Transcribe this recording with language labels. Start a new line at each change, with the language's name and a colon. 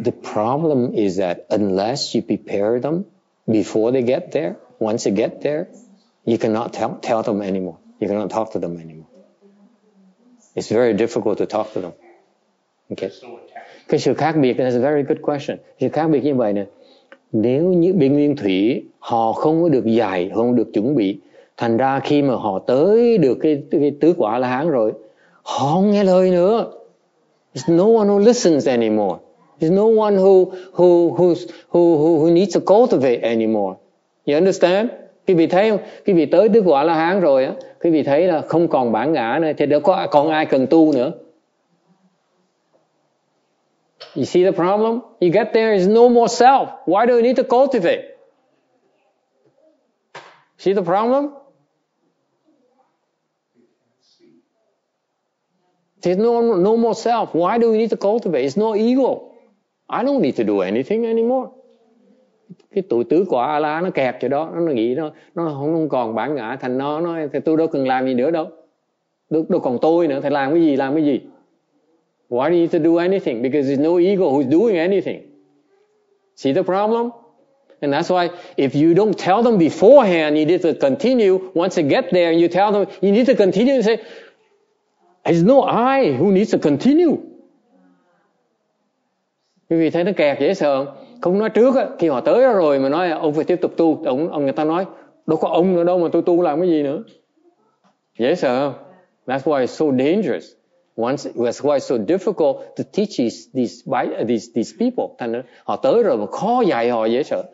English: The problem is that unless you prepare them before they get there, once they get there, you cannot tell them anymore. You cannot talk to them anymore. It's very difficult to talk to them. Okay.
Vietnamese: Cái sự khác biệt,
English: that's a very good question.
Vietnamese: Sự khác biệt như vậy nè. Nếu như bên Nguyên Thủy, họ không có được dạy, không được chuẩn bị. Thành ra khi mà họ tới được cái tứ quả la hán rồi, họ không nghe lời nữa.
English: There's no one who listens anymore. There's no one who needs to cultivate anymore. You understand?
Vietnamese: Quý vị thấy không? Quý vị tới tứ quả la hán rồi á, quý vị thấy là không còn bản ngã nữa, thì đâu có còn ai cần tu nữa.
English: You see the problem? You get there, there's no more self. Why do you need to cultivate? See the problem? There's no more self. Why do we need to cultivate? It's no ego. I don't need to do anything anymore.
Vietnamese: Cái tuổi tứ quả A-la nó kẹt chỗ đó, nó nghĩ nó không còn bản ngã, thành nó thì tôi đâu cần làm gì nữa đâu. Đâu còn tôi nữa, thì làm cái gì?
English: Why do you need to do anything? Because there's no ego who's doing anything. See the problem? And that's why if you don't tell them beforehand, you need to continue. Once you get there, you tell them you need to continue and say, there's no I who needs to continue.
Vietnamese: Quý vị thấy nó kẹt dễ sợ không? Không nói trước á, khi họ tới rồi mà nói ông phải tiếp tục tu, ông người ta nói đâu có ông nữa đâu mà tôi tu làm cái gì nữa. Dễ sợ không?
English: That's why it's so dangerous. That's why it's so difficult to teach these people.
Vietnamese: Thành ra họ tới rồi mà khó dạy họ, dễ sợ.